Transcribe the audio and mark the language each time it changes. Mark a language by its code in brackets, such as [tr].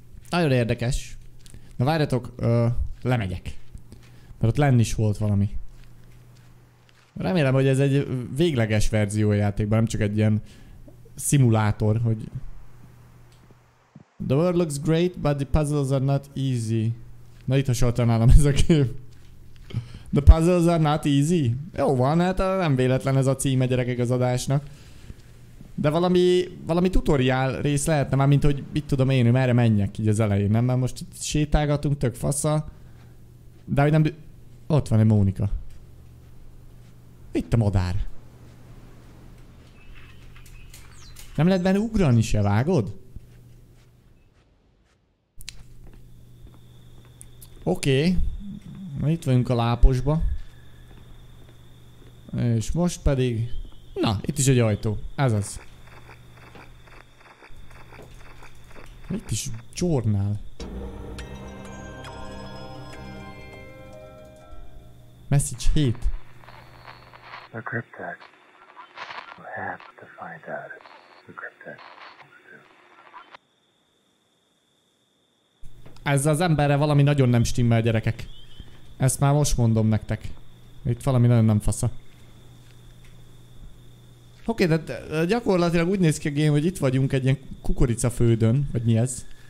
[hu] Nagyon érdekes. Na várjatok, lemegyek. Mert ott lenn is volt valami. Remélem, hogy ez egy végleges verzió a játékban, nem csak egy ilyen szimulátor, hogy... [en] The world looks great, but the puzzles are not easy. [hu] Na itt hasonlóan nálam ez a kép. [en] The puzzles are not easy? [hu] Jó van, hát nem véletlen ez a címe, gyerekek, az adásnak. De valami tutoriál rész lehetne már, mint hogy mit tudom én, hogy merre menjek így az elején, nem? Mert most itt sétálgatunk, tök fasza. De hogy nem... Ott van egy Mónika. Itt a madár. Nem lehet benne ugrani se, vágod? Oké. Na itt vagyunk a láposba. És most pedig... Na, itt is egy ajtó. Ez az. Itt is csornál. [en] Message 7. The cryptek. We have to find out the cryptek. [hu] Ez az emberre valami nagyon nem stimmel, gyerekek. Ezt már most mondom nektek. Itt valami nagyon nem fasza. Oké, de gyakorlatilag úgy néz ki a game, hogy itt vagyunk egy ilyen kukoricafődön, vagy mi ez.